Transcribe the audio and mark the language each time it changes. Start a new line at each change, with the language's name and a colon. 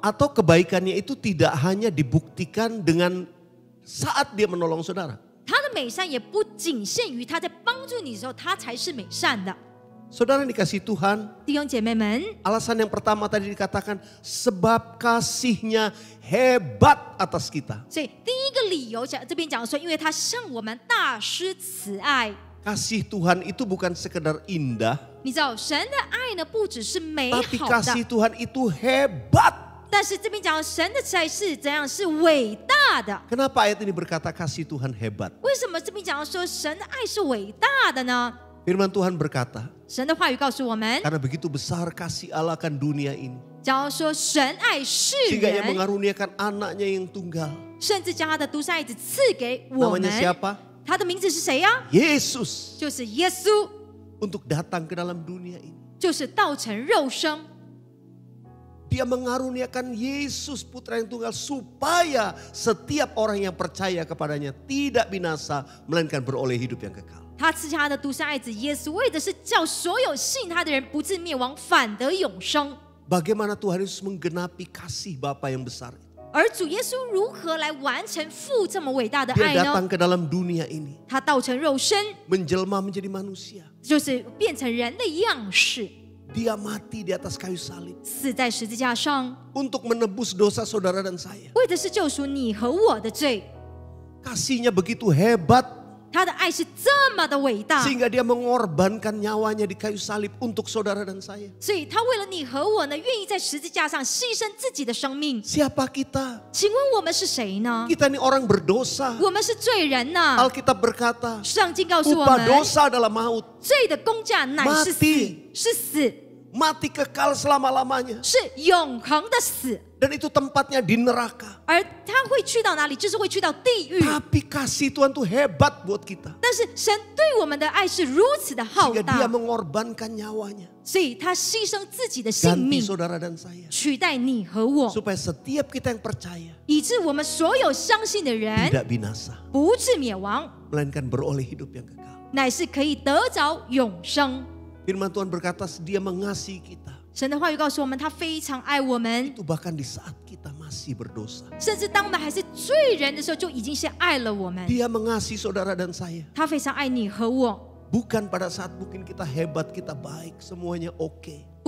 Indonesian: Atau kebaikannya itu tidak hanya dibuktikan dengan saat dia menolong saudara.
Chinese: 他的美善也不仅限于他在帮助你的时候，他才是美善的。
Indonesian: Saudara yang dikasihi Tuhan,
Chinese: 弟兄姐妹们,
Indonesian: alasan yang pertama tadi dikatakan, sebab kasihnya hebat atas kita.
Chinese: 所以第一个理由这边讲说，因为他向我们大施慈爱。
Indonesian: Kasih Tuhan itu bukan sekedar indah.
Chinese: 你知道神的爱呢，不只是美好的。
Indonesian: Tapi kasih Tuhan itu hebat.
Chinese: 但是这边讲神的慈爱是怎样是伟大的。
Indonesian: Kenapa ayat ini berkata kasih Tuhan hebat?
Chinese: 为什么这边讲说神的爱是伟大的呢？
Indonesian: Firman Tuhan berkata,
Chinese: 神的话语告诉我们,
Indonesian: karena begitu besar kasih Allah akan dunia ini,
Chinese: 假如说神爱世人,
Indonesian: sehingga ia mengaruniakan anaknya yang tunggal,
Chinese: 甚至将他的独生爱子赐给我们,
Indonesian: namanya siapa?
Chinese: 他的名字是谁呀?
Indonesian: Yesus,
Chinese: 就是耶稣,
Indonesian: untuk datang ke dalam dunia ini,
Chinese: 就是道成肉身,
Indonesian: dia mengaruniakan Yesus putra yang tunggal, supaya setiap orang yang percaya kepadanya tidak binasa, melainkan beroleh hidup yang kekal.
Chinese: 他赐下他的独生爱子耶稣，为的是叫所有信他的人不至灭亡，反得永生。
Indonesian: Bagaimana Tuhan Yesus menggenapi kasih Bapa yang besar?
Chinese: 而主耶稣如何来完成父这么伟大的爱呢？
Indonesian: Dia datang ke dalam dunia ini.
Chinese: 他道成肉身。
Indonesian: Menjelma menjadi manusia.
Chinese: 就是变成人的样式。
Indonesian: Dia mati di atas kayu salib.
Chinese: 死在十字架上。
Indonesian: Untuk menebus dosa saudara dan saya.
Chinese: 为的是救赎你和我的罪。
Indonesian: Kasihnya begitu hebat.
Chinese: 他的爱是这么的伟大,
Indonesian: sehingga dia mengorbankan nyawanya di kayu salib untuk saudara dan saya.
Chinese: 所以他为了你和我呢, 愿意在十字架上牺牲自己的生命。
Indonesian: Siapa kita?
Chinese: 请问我们是谁呢?
Indonesian: Kita ini orang berdosa.
Chinese: 我们是罪人呢。
Indonesian: Alkitab berkata,
Chinese: 圣经告诉我们,
Indonesian: upah dosa adalah maut.
Chinese: 罪的工价乃是死, 嘛地, 是死。
Indonesian: Mati kekal selama-lamanya.
Chinese: 是永恒的死。
Indonesian: Dan itu tempatnya di neraka.
Chinese: 而他会去到哪里?就是会去到地狱。
Indonesian: Tapi kasih Tuhan itu hebat buat kita.
Chinese: 但是神对我们的爱是如此的浩大。
Indonesian: Sehingga dia mengorbankan nyawanya.
Chinese: 所以他牺牲自己的性命。
Indonesian: Ganti saudara dan saya.
Chinese: 取代你和我。
Indonesian: Supaya setiap kita yang percaya.
Chinese: 以致我们所有相信的人. 不至灭亡。不至灭亡。
Indonesian: Melainkan beroleh hidup yang kekal.
Chinese: 乃是可以得着永生。
Indonesian: Firman Tuhan berkata, dia mengasihi kita.
Chinese: 神的话语告诉我们，他非常爱我们。
Indonesian: Itu bahkan di saat kita masih berdosa.
Chinese: 甚至当我们还是罪人的时候，就已经先爱了我们。
Indonesian: Dia mengasihi saudara dan saya.
Chinese: 他非常爱你和我。
Indonesian: Bukan pada saat mungkin kita hebat, kita baik, semuanya oke.